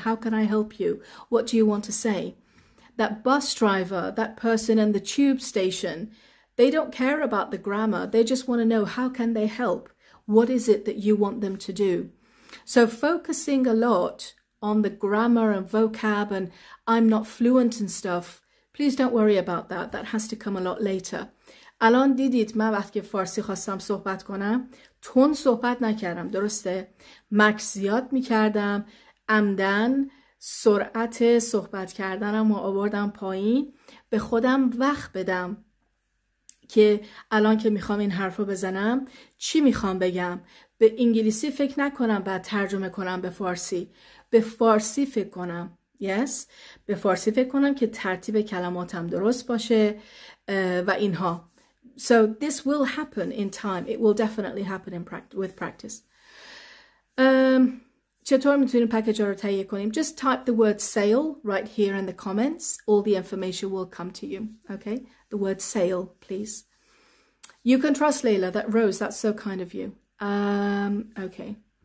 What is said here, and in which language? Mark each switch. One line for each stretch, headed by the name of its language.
English: How can I help you? What do you want to say? That bus driver, that person in the tube station, they don't care about the grammar. They just want to know how can they help? What is it that you want them to do? So focusing a lot on the grammar and vocab and I'm not fluent and stuff, please don't worry about that. That has to come a lot later.
Persian: الان دیدید من وقتی که فارسی خواستم صحبت کنم تون صحبت نکردم درسته مکس زیاد می کردم عمدن سرعت صحبت کردنم رو آوردم پایین به خودم وقت بدم که الان که میخوام این حرف رو بزنم چی میخوام بگم به انگلیسی فکر نکنم بعد ترجمه کنم به فارسی به فارسی فکر کنم yes به فارسی فکر کنم که ترتیب کلماتم درست باشه و اینها
English: So this will happen in time. It will definitely happen in practice with practice.
Persian: چطور میتونیم پکیج رو تهیه کنیم؟
English: Just type the word sale right here in the comments. All the information will come to you. Okay? The word sale, please. You can trust Leila. That Rose, that's so kind of you. Okay.